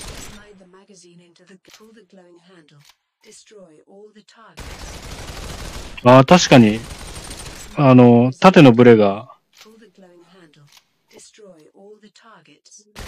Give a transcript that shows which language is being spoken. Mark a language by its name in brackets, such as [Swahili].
[English] Slide the magazine into the pull the glowing handle. Destroy all the targets. [Japanese] ああ確かに縦のブレが。 [English] Pull the glowing handle. Destroy all the targets.